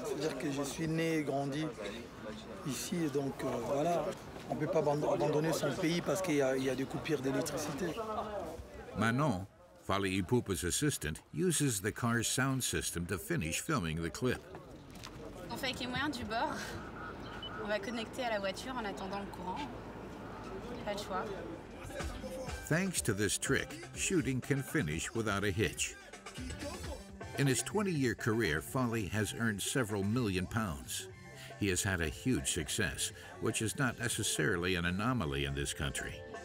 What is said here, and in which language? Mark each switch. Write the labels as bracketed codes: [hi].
[fr] C'est-à-dire que je suis né et grandi ici, donc voilà. On ne peut pas abandonner son pays parce qu'il y a des coupures d'électricité. [en] Manon, Fali Ipupa's assistant, uses the car's sound system to finish filming the clip. [fr] On fait avec les moyens du bord. On va connecter à la voiture en attendant le courant. Pas de choix. [en] Thanks to this trick, shooting can finish without a hitch. In his 20-year career, Fali has earned several million pounds. He has had a huge success, which is not necessarily an anomaly in this country.